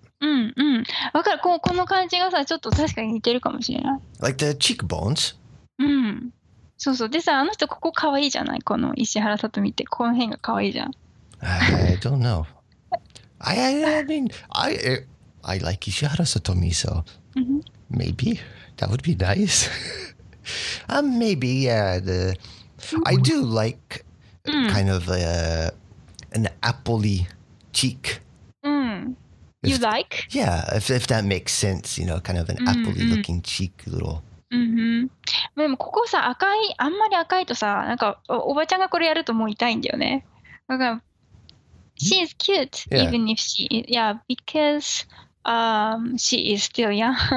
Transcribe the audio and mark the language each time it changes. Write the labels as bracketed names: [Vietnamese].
[Japanese] この感じがさ、ちょっと確かに似てるかもしれない。Like [English] the cheekbones? [Japanese] そうそう。でさ、あの人ここ可愛いじゃない？この石原さとみって、この辺が可愛いじゃん。 [English] I don't know. I mean, I like Ishihara Satomi, so maybe that would be nice. maybe, yeah. I do like kind of an apple-y cheek. You like? Yeah, if that makes sense, you know, kind of an apple-y looking cheek, little... [Japanese] でもここさ赤いあんまり赤いとさなんかおばちゃんがこれやるともう痛いんだよね。 [English] She's cute even if she because she is still young.